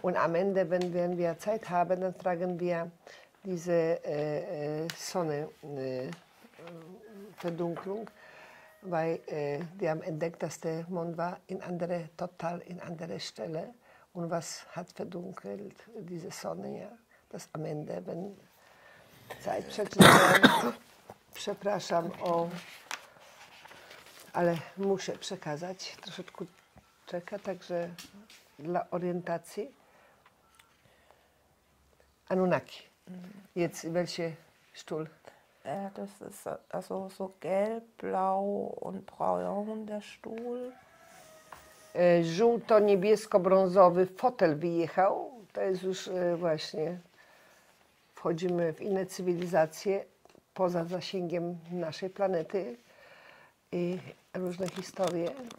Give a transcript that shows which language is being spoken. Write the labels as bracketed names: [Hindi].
[German] Und am Ende, wenn, wenn wir Zeit haben, dann tragen wir diese Sonne-Verdunklung, weil wir haben entdeckt, dass der Mond war in andere, total in andere Stelle. Und was hat verdunkelt diese Sonne? Ja. Dass am Ende, wenn Zeit schätzen, [Polish] przepraszam, o, ale muszę przekazać, troszeczkę czeka, także dla orientacji. [German] Anunnaki, jetzt welche Stuhl? Das ist also so gelb, blau und braun, der Stuhl. [Polish] Żółto, niebiesko, brązowy fotel wyjechał, to jest już właśnie, wchodzimy w inne cywilizacje, poza zasięgiem naszej planety i różne historie.